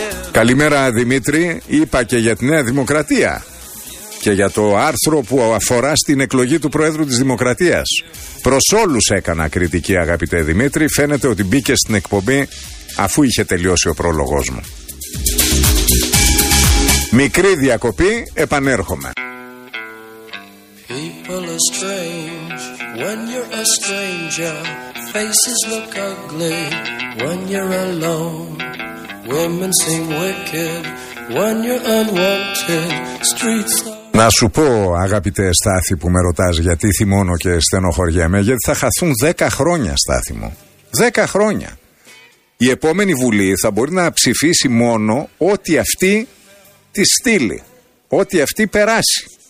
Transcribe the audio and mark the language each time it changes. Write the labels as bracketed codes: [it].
[el] Καλημέρα Δημήτρη, είπα και για τη Νέα Δημοκρατία και για το άρθρο που αφορά στην εκλογή του Προέδρου της Δημοκρατίας. Προς όλους έκανα κριτική, αγαπητέ Δημήτρη, φαίνεται ότι μπήκε στην εκπομπή αφού είχε τελειώσει ο πρόλογός μου. Μικρή διακοπή, επανέρχομαι. [en] People are strange when you're a stranger. Faces look ugly when you're alone. Women seem wicked when you're unwanted. Streets are... [el] Να σου πω, αγαπητέ Στάθη, που με ρωτάς γιατί θυμώνω και στενοχωριέμαι, γιατί θα χαθούν 10 χρόνια, Στάθη μου. 10 χρόνια. Η επόμενη Βουλή θα μπορεί να ψηφίσει μόνο ό,τι αυτή τη στείλει, ό,τι αυτή περάσει.